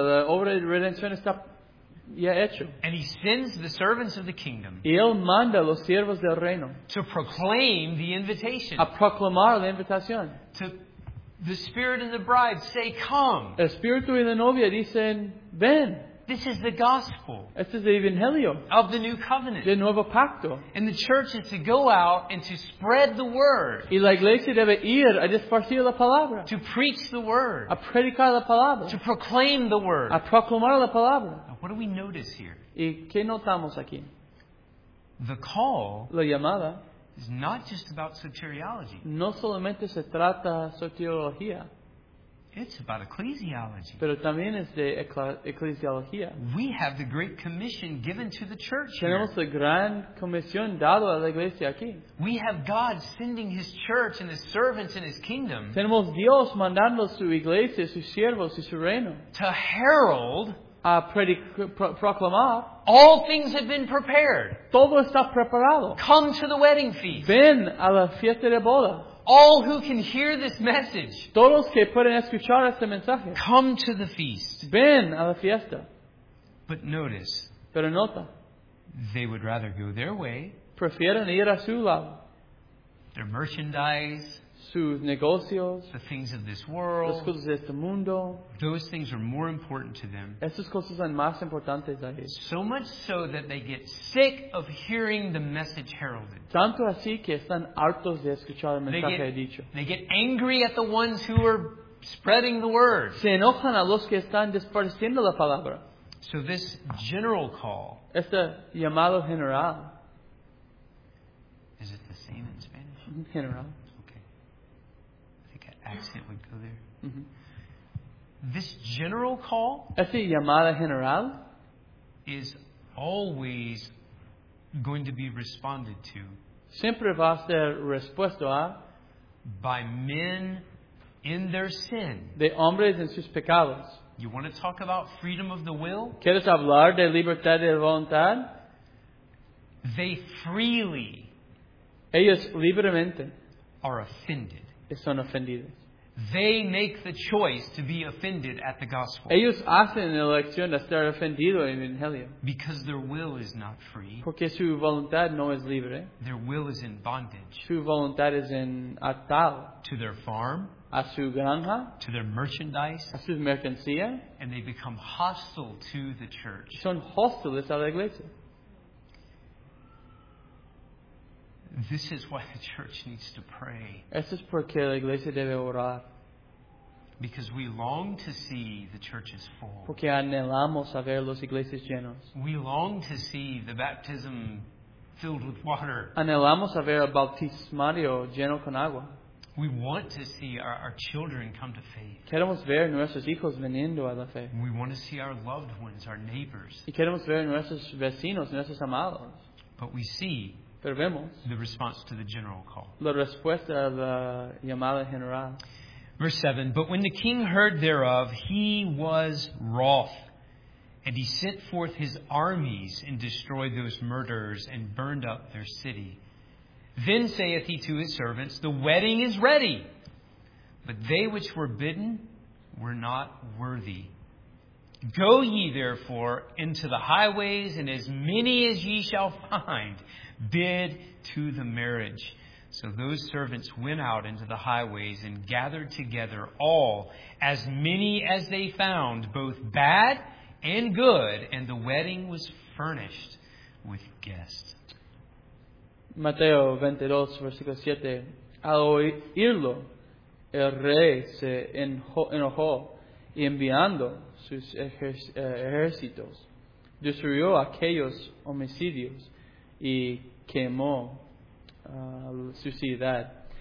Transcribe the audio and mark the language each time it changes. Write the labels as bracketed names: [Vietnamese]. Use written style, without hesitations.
[Spanish] La obra de redención está ya hecho. [English] And he sends the servants of the kingdom. [Spanish] Y él manda los siervos del reino. [English] To proclaim the invitation. [Spanish] A proclamar la invitación. [English] To the spirit and the bride say, come. [Spanish] El espíritu y la novia dicen, ven. [English] This is the gospel. [Spanish] Este es el evangelio. [English] Of the new covenant. [Spanish] Del nuevo pacto. [English] And the church is to go out and to spread the word. [Spanish] Y la iglesia debe ir a esparcir la palabra. [English] To preach the word. [Spanish] A predicar la palabra. [English] To proclaim the word. [Spanish] A proclamar la palabra. [English] What do we notice here? [Spanish] ¿Y qué notamos aquí? [English] The call, [Spanish] la llamada, [English] is not just about soteriology. [Spanish] No solamente se trata soteriología. [English] It's about ecclesiology. [Spanish] Pero también es de eclesiología. [English] We have the great commission given to the church. [Spanish] Tenemos [English] here. [Spanish] La gran comisión dado a la iglesia aquí. [English] We have God sending His church and His servants in His kingdom. [Spanish] Tenemos Dios mandando su iglesia, sus siervos y su reino. [English] To herald. [Spanish] A proclamar. [English] All things have been prepared. [Spanish] Todo está preparado. [English] Come to the wedding feast. [Spanish] Ven a la fiesta de boda. [English] All who can hear this message. [Spanish] Todos que pueden escuchar este mensaje. [English] Come to the feast. [Spanish] Ven a la fiesta. [English] But notice. [Spanish] Pero nota. [English] They would rather go their way. [Spanish] Prefieren ir a su lado. [English] Their merchandise. [Spanish] Sus negocios, [English] the things of this world, [Spanish] las cosas de este mundo, [English] those things are more important to them. [Spanish] Esas cosas son más importantes a ellos. [English] So much so that they get sick of hearing the message heralded. [Spanish] Tanto así que están hartos de escuchar el mensaje [English] they get, [Spanish] dicho. [English] They get angry at the ones who are spreading the word. [Spanish] Se enojan a los que están esparciendo la palabra. [English] So this general call, [Spanish] este llamado general, [English] is it the same in Spanish? [Spanish] General. [English] Accent would go there. This general call, [Spanish] esta llamada general, [English] is always going to be responded to. [Spanish] Siempre va a ser respuesto a [English] by men in their sin. [Spanish] De hombres en sus pecados. [English] You want to talk about freedom of the will? [Spanish] ¿Quieres hablar de libertad de voluntad? [English] They freely, [Spanish] ellos libremente, [English] are offended. [Spanish] Son ofendidos. [English] They make the choice to be offended at the gospel. [Spanish] Ellos hacen la elección de estar ofendido en el evangelio. [English] Because their will is not free. [Spanish] Porque su voluntad no es libre. [English] Their will is in bondage. [Spanish] Su voluntad es en atado. [English] To their farm. [Spanish] A su granja. [English] To their merchandise. [Spanish] A su mercancía. [English] And they become hostile to the church. [Spanish] Son hostiles a la iglesia. [English] This is why the church needs to pray. [Spanish] Esto es porque la iglesia debe orar. [English] Because we long to see the churches full. [Spanish] Porque anhelamos a ver las iglesias llenas. [English] We long to see the baptism filled with water. [Spanish] Anhelamos a ver el bautismario lleno con agua. [English] We want to see our children come to faith. [Spanish] Queremos ver nuestros hijos viniendo a la fe. [English] We want to see our loved ones, our neighbors. [Spanish] Y queremos ver nuestros vecinos, nuestros amados. [English] But we see [Spanish] Pero vemos [English] the response to the general call. [Spanish] La respuesta a la llamada general. [English] Verse 7, but when the king heard thereof, he was wroth, and he sent forth his armies and destroyed those murderers and burned up their city. Then saith he to his servants, the wedding is ready, but they which were bidden were not worthy. Go ye therefore into the highways, and as many as ye shall find, bid to the marriage. So those servants went out into the highways and gathered together all, as many as they found, both bad and good, and the wedding was furnished with guests. [Spanish] Mateo 22, versículo 7. Al oírlo, el rey se enojó, y enviando sus ejércitos, destruyó aquellos homicidios y quemó su ciudad.